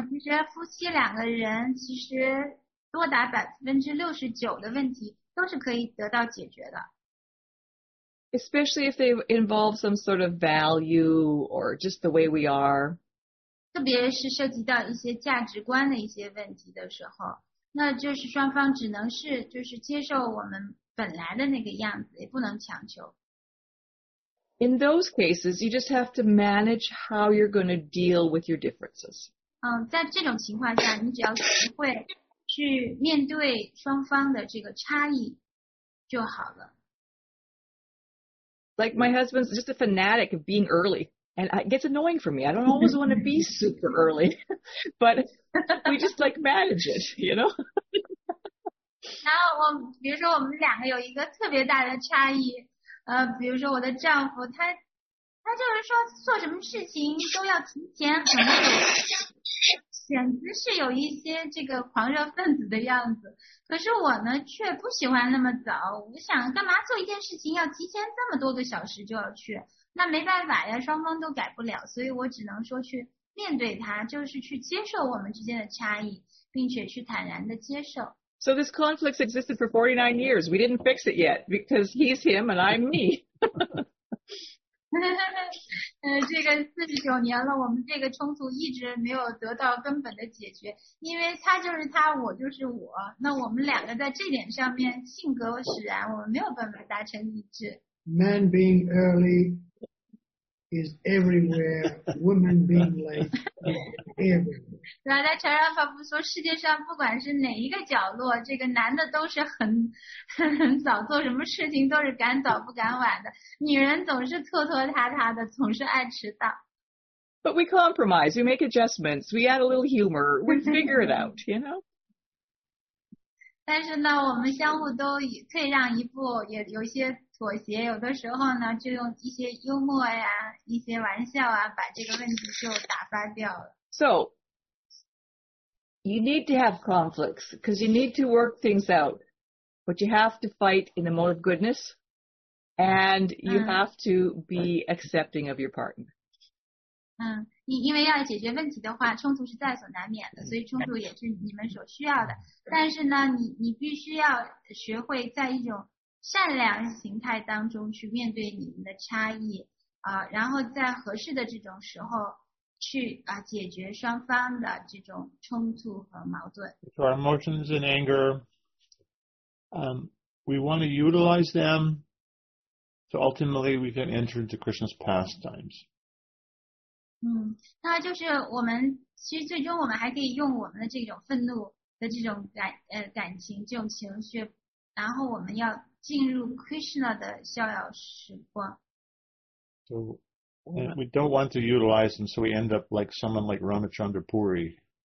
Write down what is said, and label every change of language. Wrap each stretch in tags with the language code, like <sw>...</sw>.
<zh>其实夫妻两个人其实多达69%的问题都是可以得到解决的。</zh> <en>Especially if they involve some sort of value or just the way we are.</en> <zh>特别是涉及到一些价值观的一些问题的时候，那就是双方只能是就是接受我们本来的那个样子，也不能强求。</zh> <en>In those cases, you just have to manage how you're going to deal with your differences.</en> <zh>在这种情况下，你只要学会去面对双方的这个差异就好了。</zh> <en>Like my husband's just a fanatic of being early, and it gets annoying for me. I don't always want to be super early, but we just like manage it, you know.</en> <zh>然后我比如说我们两个有一个特别大的差异，比如说我的丈夫他就是说做什么事情都要提前很久，简直是有一些这个狂热分子的样子。可是我呢却不喜欢那么早，我想干嘛做一件事情要提前这么多个小时就要去，那没办法呀，双方都改不了，所以我只能说去面对他，就是去接受我们之间的差异，并且去坦然的接受。</zh> <en>So this conflict existed for 49 years. We didn't fix it yet because he's him and I'm me.</en> <zh>这个49年了，我们这个冲突一直没有得到根本的解决，因为他就是他，我就是我，那我们两个在这点上面性格使然，我们没有办法达成一致。</zh> <en>Man being early is everywhere, woman being late is everywhere.</en> <zh>对啊，在乔然法布说世界上不管是哪一个角落，这个男的都是很早，做什么事情都是赶早不赶晚的，女人总是拖拖沓沓的，总是爱迟到。</zh> <en>But we compromise, we make adjustments, we add a little humor, we figure it out, you know?</en> <zh>但是呢，我们相互都退让一步，也有些妥协，有的时候呢就用一些幽默呀，一些玩笑啊，把这个问题就打发掉了。</zh> <en>So you need to have conflicts because you need to work things out, but you have to fight in the mode of goodness and you have to be accepting of your partner.</en> <zh>因为要解决问题的话，冲突是在所难免的，所以冲突也是你们所需要的，但是呢你必须要学会在一种善良形态当中去面对你们的差异，然后在合适的这种时候去解决双方的这种冲突和矛盾。</zh> <en>So our emotions and anger, we want to utilize them so ultimately we can enter into Krishna's pastimes.</en> <zh>那就是我们其实最终我们还可以用我们的这种愤怒的这种感情这种情绪，然后我们要进入 Krishna 的逍遥时光。</zh> <en>So we don't want to utilize them, so we end up like someone like Ramachandra Puri.</en>